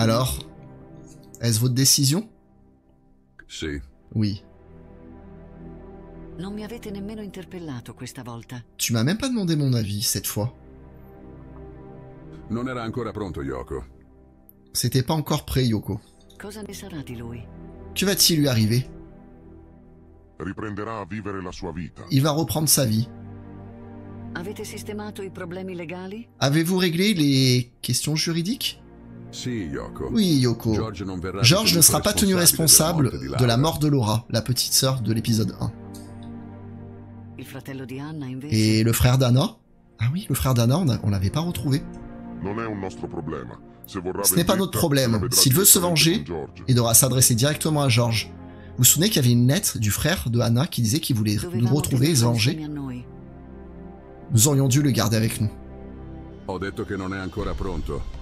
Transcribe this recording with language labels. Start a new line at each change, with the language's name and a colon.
French: Alors, est-ce votre décision?
Italian: Sì.
French: Oui.
Italian: Non mi avete nemmeno interpellato questa volta.
French: Tu m'as même pas demandé mon avis cette fois.
Italian: Non era ancora pronto Yoko.
French: C'était pas encore prêt Yoko.
Italian: Cosa ne sarà di lui?
French: Que va-t-il lui arriver?
Italian: Riprenderà a vivere la sua vita.
French: Il va reprendre sa vie.
Italian: Avete sistemato i problemi legali?
French: Avez-vous réglé les questions juridiques?
Italian: Sì, Yoko.
French: Oui, Yoko.
Italian: George, non verrà
French: George ne sera pas tenu responsable de la mort de Laura, la petite sœur de l'épisode 1.
Italian: Il fratello di Anna, invece...
French: Et le frère d'Anna? Ah oui, le frère d'Anna, on l'avait pas retrouvé.
Italian: Non è un nostro problema.
French: Se vorrà Ce n'est pas notre problème. S'il veut se venger, il devra s'adresser directement à George. Vous vous souvenez qu'il y avait une lettre du frère de Anna qui disait qu'il voulait nous retrouver et se venger? Nous aurions dû le garder avec nous.
Italian: Ho detto che non è ancora pronto.